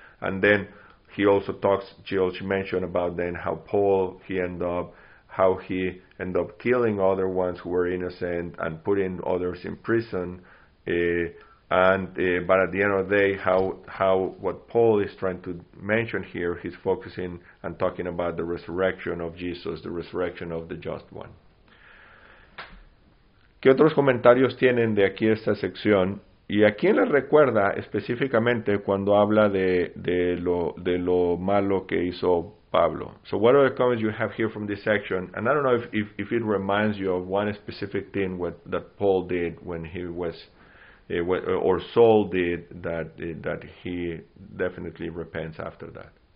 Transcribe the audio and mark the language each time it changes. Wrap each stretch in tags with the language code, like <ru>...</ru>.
<en>And then he also talks, she mentioned about then how Paul, he ended up killing other ones who were innocent and putting others in prison. But at the end of the day, how what Paul is trying to mention here, he's focusing and talking about the resurrection of Jesus, the resurrection of the just one.</en> <es>¿Qué otros comentarios tienen de aquí esta sección? ¿Y a quién le recuerda específicamente cuando habla de lo malo que hizo Pablo?</es> <en>So what are the comments you have here from this section? And I don't know if it reminds you of one specific thing that Paul did when he was... or Saul did that he definitely repents after that.</en>